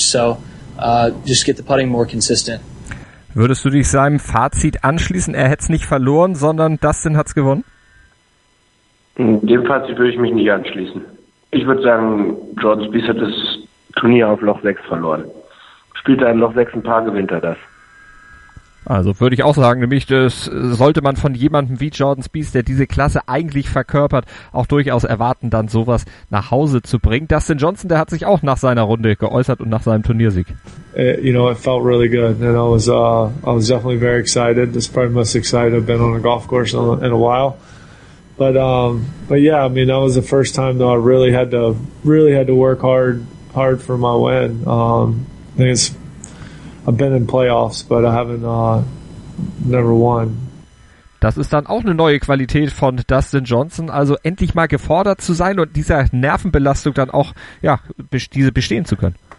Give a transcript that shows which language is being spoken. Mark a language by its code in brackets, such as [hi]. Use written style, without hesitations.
[en] So just get the putting more consistent. [de] Würdest du dich seinem Fazit anschließen? Er hätte es nicht verloren, sondern Dustin hat es gewonnen? Dem Fazit würde ich mich nicht anschließen. Ich würde sagen, Jordan Spieth hat das Turnier auf Loch 6 verloren. Spielt er im Loch 6 ein paar, gewinnt er das. Also würde ich auch sagen, nämlich das sollte man von jemandem wie Jordan Spieth, der diese Klasse eigentlich verkörpert, auch durchaus erwarten, dann sowas nach Hause zu bringen. Dustin Johnson, der hat sich auch nach seiner Runde geäußert und nach seinem Turniersieg. [en] You know, it felt really good and I was definitely very excited. This is probably the most excited I've been on a golf course in a while. But yeah, I mean, that was the first time though I really had to work hard for my win. I think it's, I've been in playoffs, but I haven't never won. [de] Das ist dann auch eine neue Qualität von Dustin Johnson, also endlich mal gefordert zu sein und dieser Nervenbelastung dann auch, ja, diese bestehen zu können.